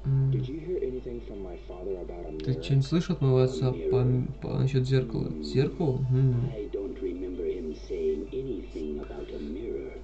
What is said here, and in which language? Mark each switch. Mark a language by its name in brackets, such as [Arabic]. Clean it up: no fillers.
[English] Did you hear anything from my father about a mirror? [Russian] Ты что-нибудь слышал от моего отца по насчет зеркала? Зеркало? [English] I don't remember him saying anything about a mirror.